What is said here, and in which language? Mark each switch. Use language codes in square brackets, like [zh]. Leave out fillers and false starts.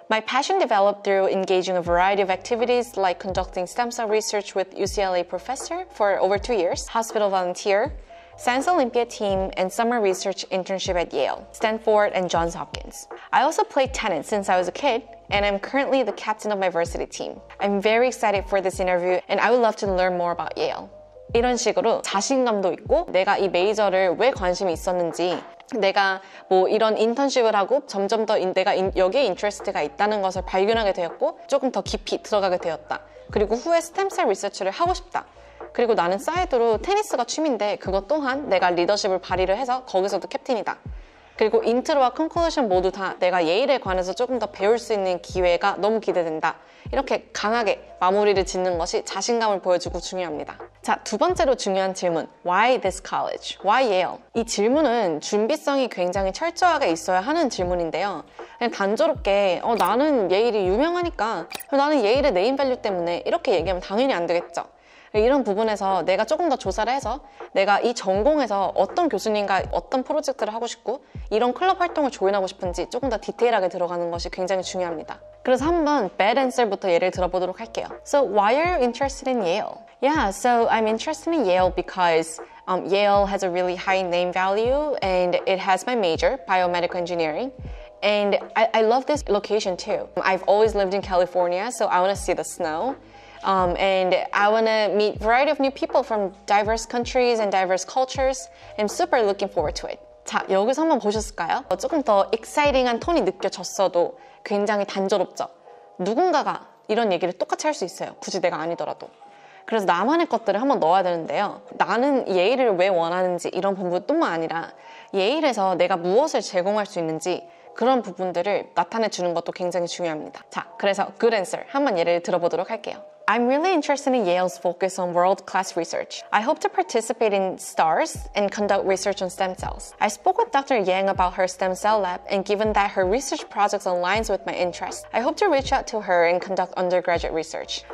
[en] My passion developed through engaging a variety of activities like conducting stem cell research with UCLA professor for over 2 years, hospital volunteer, Science Olympiad team, and summer research internship at Yale, Stanford, and Johns Hopkins. I also played tennis since I was a kid, and I'm currently the captain of my varsity team. I'm very excited for this interview, and I would love to learn more about Yale. [ko] 이런 식으로 자신감도 있고, 내가 이 메이저를 왜 관심이 있었는지, 내가 뭐 이런 인턴십을 하고 점점 더 내가 여기에 인트레스트가 있다는 것을 발견하게 되었고, 조금 더 깊이 들어가게 되었다. 그리고 후에 스템셀 리서치를 하고 싶다. 그리고 나는 사이드로 테니스가 취미인데 그것 또한 내가 리더십을 발휘를 해서 거기서도 캡틴이다. 그리고 인트로와 컨클루션 모두 다 내가 예일에 관해서 조금 더 배울 수 있는 기회가 너무 기대된다. 이렇게 강하게 마무리를 짓는 것이 자신감을 보여주고 중요합니다. 자, 두 번째로 중요한 질문. [en] Why this college? Why Yale? [ko] 이 질문은 준비성이 굉장히 철저하게 있어야 하는 질문인데요. 그냥 단조롭게 나는 예일이 유명하니까, 나는 예일의 네임밸류 때문에 이렇게 얘기하면 당연히 안 되겠죠. 이런 부분에서 내가 조금 더 조사를 해서 내가 이 전공에서 어떤 교수님과 어떤 프로젝트를 하고 싶고 이런 클럽 활동을 조인하고 싶은지 조금 더 디테일하게 들어가는 것이 굉장히 중요합니다. 그래서 한번 bad answer부터 예를 들어보도록 할게요. [en] So why are you interested in Yale? Yeah, so I'm interested in Yale because Yale has a really high name value and it has my major, biomedical engineering. And I love this location too. I've always lived in California, so I want to see the snow. And I want to meet a variety of new people from diverse countries and diverse cultures. I'm super looking forward to it. [ko] 자, 여기서 한번 보셨을까요? 조금 더 exciting한 톤이 느껴졌어도 굉장히 단조롭죠. 누군가가 이런 얘기를 똑같이 할 수 있어요. 굳이 내가 아니더라도. 그래서 나만의 것들을 한번 넣어야 되는데요. 나는 예일을 왜 원하는지 이런 부분뿐만 아니라 예일에서 내가 무엇을 제공할 수 있는지 그런 부분들을 나타내 주는 것도 굉장히 중요합니다. 자, 그래서 [en] good answer [ko] 한번 예를 들어보도록 할게요. [en] I'm really interested in Yale's focus on world-class research. I hope to participate in STARS and conduct research on stem cells. I spoke with Dr. Yang about her stem cell lab, and given that her research project aligns with my interest, I hope to reach out to her and conduct undergraduate research.